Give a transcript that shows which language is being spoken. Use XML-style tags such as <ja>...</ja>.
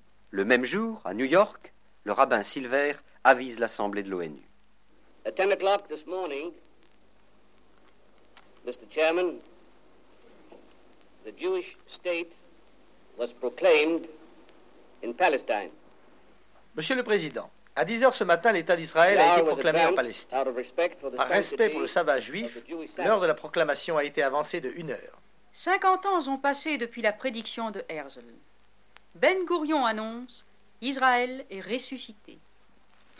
<fr>Le même jour, à New York, le rabbin Silver avise l'assemblée de l'ONU.</fr> <en>At 10 o'clock this morning, Mr. Chairman, the Jewish state was proclaimed in Palestine.</en> <fr>Monsieur le Président, à 10 heures ce matin, l'État d'Israël a été proclamé en Palestine. Par respect pour le sabbat juif, l'heure de la proclamation a été avancée de 1 heure. 50 ans ont passé depuis la prédiction de Herzl. Ben-Gourion annonce « Israël est ressuscité ».</fr>